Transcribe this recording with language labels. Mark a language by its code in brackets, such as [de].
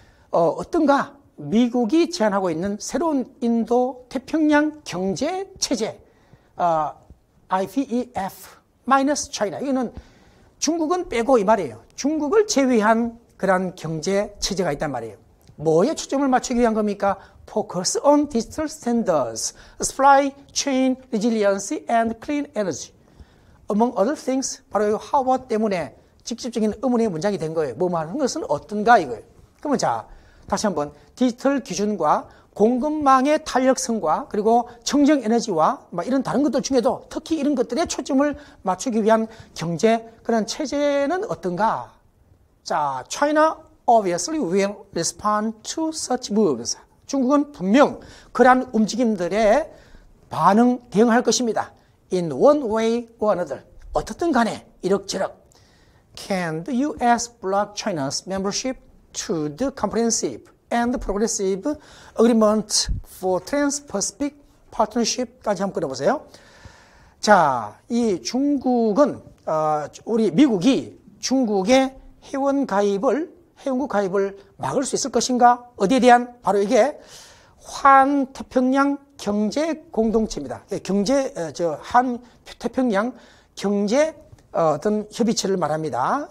[ko] 어떤가 미국이 제안하고 있는 새로운 인도 태평양 경제 체제 IPEF minus China. 이거는 중국은 빼고 이 말이에요. 중국을 제외한 그런 경제 체제가 있단 말이에요. 뭐에 초점을 맞추기 위한 겁니까? [en] Focus on digital standards, supply chain resiliency and clean energy. Among other things, [ko] 바로 이 [en] how what [ko] 때문에 직접적인 의문의 문장이 된 거예요. 뭐 말하는 것은 어떤가 이거예요. 그러면 자, 다시 한번 디지털 기준과 공급망의 탄력성과 그리고 청정 에너지와 막 이런 다른 것들 중에도 특히 이런 것들에 초점을 맞추기 위한 경제 그런 체제는 어떤가? [en] 자, China obviously will respond to such moves. [ko] 중국은 분명 그러한 움직임들에 반응 대응할 것입니다. [en] In one way or another, [ko] 어떻든 간에 이럭저럭. [en] Can the U.S. block China's membership to the comprehensive and progressive agreement for Trans-Pacific Partnership [ko] 까지 한번 끊어보세요. 자, 이 중국은 우리 미국이 중국의 회원국 가입을 막을 수 있을 것인가? 어디에 대한 바로 이게 환태평양 경제 공동체입니다. 경제 한태평양 경제 어떤 협의체를 말합니다.